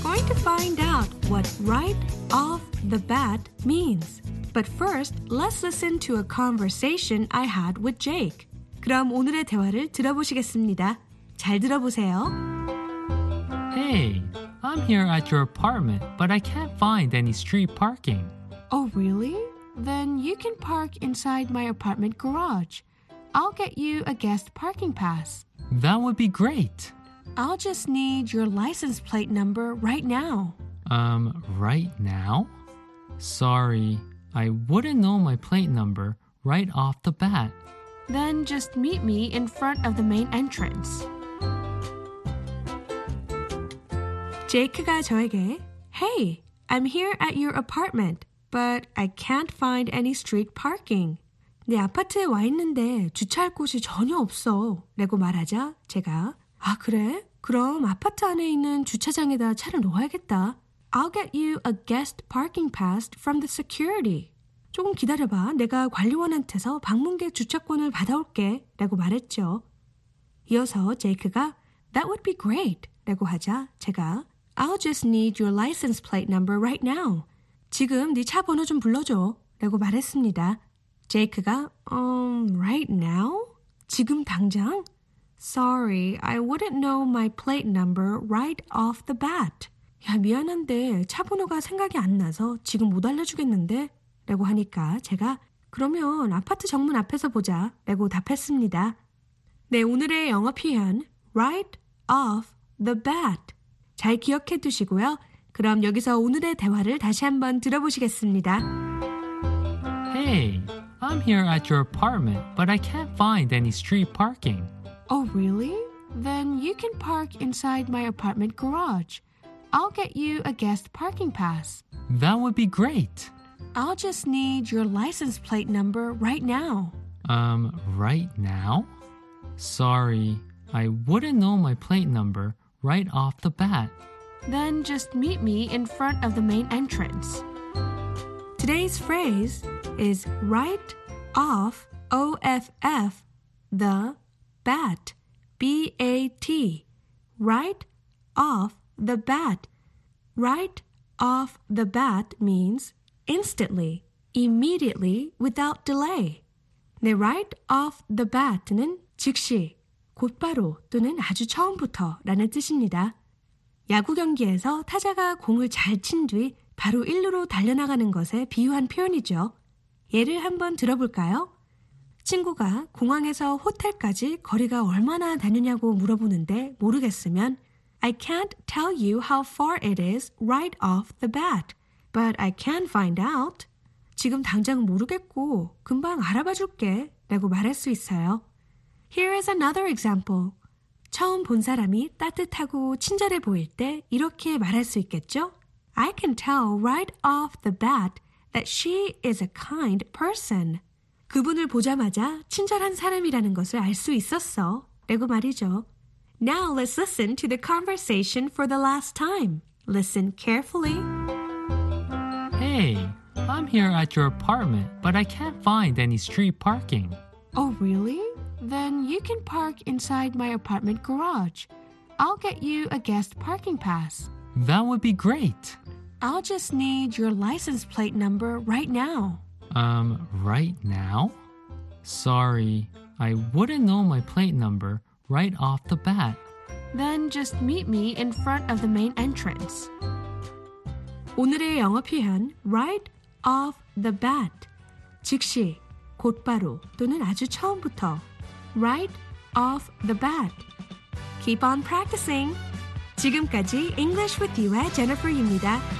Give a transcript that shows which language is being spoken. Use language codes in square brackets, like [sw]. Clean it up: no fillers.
[en] To find out what right off the bat means. But first, let's listen to a conversation I had with Jake. [ko] 그럼 오늘의 대화를 들어보시겠습니다. 잘 들어보세요. [en] Hey, I'm here at your apartment, but I can't find any street parking. Oh, really? Then you can park inside my apartment garage. I'll get you a guest parking pass. That would be great. I'll just need your license plate number right now. Right now? Sorry, I wouldn't know my plate number right off the bat. Then just meet me in front of the main entrance. [ko] 제이크가 저에게, [en] Hey, I'm here at your apartment, but I can't find any street parking. [ko] 내 아파트에 와 있는데 주차할 곳이 전혀 없어. 라고 말하자 제가, 아, 그래? 그럼 아파트 안에 있는 주차장에다 차를 놓아야겠다. [en] I'll get you a guest parking pass from the security. [ko] 조금 기다려봐. 내가 관리원한테서 방문객 주차권을 받아올게. 라고 말했죠. 이어서 제이크가 [en] That would be great. [ko] 라고 하자 제가 [en] I'll just need your license plate number right now. [ko] 지금 네 차 번호 좀 불러줘. 라고 말했습니다. 제이크가 [en] right now? [ko] 지금 당장? [en] Sorry, I wouldn't know my plate number right off the bat. [ko] 야, 미안한데 차 번호가 생각이 안 나서 지금 못 알려주겠는데? 라고 하니까 제가 그러면 아파트 정문 앞에서 보자 라고 답했습니다. 네, 오늘의 영어 표현 right off the bat 잘 기억해 두시고요. 그럼 여기서 오늘의 대화를 다시 한번 들어보시겠습니다. Hey, I'm here at your apartment, but I can't find any street parking. Oh, really? Then you can park inside my apartment garage. I'll get you a guest parking pass. That would be great. I'll just need your license plate number right now. Right now? Sorry, I wouldn't know my plate number right off the bat. Then just meet me in front of the main entrance. [en] Today's phrase is right off, O-F-F, the bat, B-A-T, right off the bat. Right off the bat means instantly, immediately, without delay. [ko] 네, right off the bat는 즉시, 곧바로 또는 아주 처음부터 라는 뜻입니다. 야구 경기에서 타자가 공을 잘 친 뒤 바로 1루로 달려나가는 것에 비유한 표현이죠. 예를 한번 들어볼까요? 친구가 공항에서 호텔까지 거리가 얼마나 다니냐고 물어보는데 모르겠으면 [en] I can't tell you how far it is right off the bat, but I can find out. [ko] 지금 당장 모르겠고 금방 알아봐 줄게 라고 말할 수 있어요. [en] Here is another example. [ko] 처음 본 사람이 따뜻하고 친절해 보일 때 이렇게 말할 수 있겠죠? [en] I can tell right off the bat that she is a kind person. [ko] 그분을 보자마자 친절한 사람이라는 것을 알 수 있었어. 라고 말이죠. [en] Now let's listen to the conversation for the last time. Listen carefully. Hey, I'm here at your apartment, but I can't find any street parking. Oh, really? Then you can park inside my apartment garage. I'll get you a guest parking pass. That would be great. I'll just need your license plate number right now. Right now? Sorry, I wouldn't know my plate number right off the bat. Then just meet me in front of the main entrance. [ko] 오늘의 영어 표현, right off the bat. 즉시, 곧바로 또는 아주 처음부터. [en] Right off the bat. Keep on practicing. [ko] 지금까지 English with you의 Jennifer입니다.